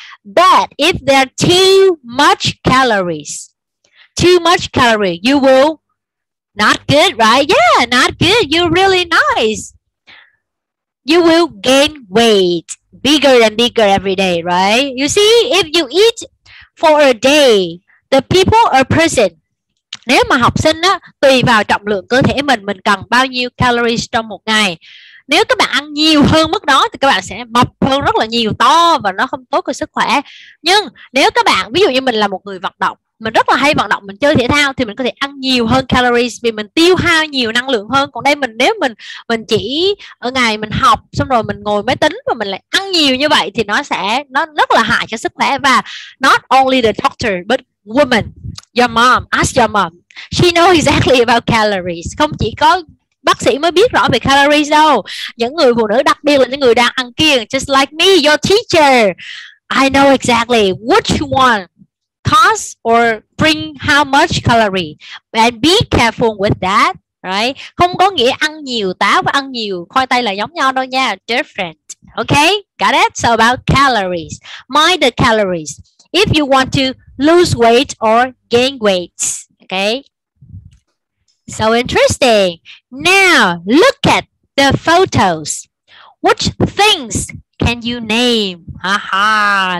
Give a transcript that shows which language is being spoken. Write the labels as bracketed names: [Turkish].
[English] But if there are too much calories, you will Not good, right? Yeah, not good. You're really nice. You will gain weight bigger and bigger every day, right? You see, if you eat for a day, the people or person. [Vietnamese] Nếu mà học sinh á, tùy vào trọng lượng cơ thể mình cần bao nhiêu calories trong một ngày. Nếu các bạn ăn nhiều hơn mức đó thì các bạn sẽ mập hơn rất là nhiều, to và nó không tốt cho sức khỏe. Nhưng nếu các bạn, ví dụ như mình là một người vận động, mình rất là hay vận động, mình chơi thể thao thì mình có thể ăn nhiều hơn calories vì mình tiêu hao nhiều năng lượng hơn. Còn đây mình, nếu mình chỉ ở ngày mình học xong rồi mình ngồi máy tính và mình lại ăn nhiều như vậy thì nó rất là hại cho sức khỏe. [English] Và not only the doctor but woman, your mom, ask your mom, she knows exactly about calories. [Vietnamese] Không chỉ có bác sĩ mới biết rõ về calories đâu, những người phụ nữ, đặc biệt là những người đang ăn kiêng, [English] just like me, your teacher, I know exactly which one cost or bring how much calorie, and be careful with that, right? [Vietnamese] Không có nghĩa ăn nhiều táo và ăn nhiều khoai tây là giống nhau đâu nha, different, okay? [English] Got it? So about calories, mind the calories. If you want to lose weight or gain weight, okay? So interesting. Now look at the photos. Which things can you name? Aha!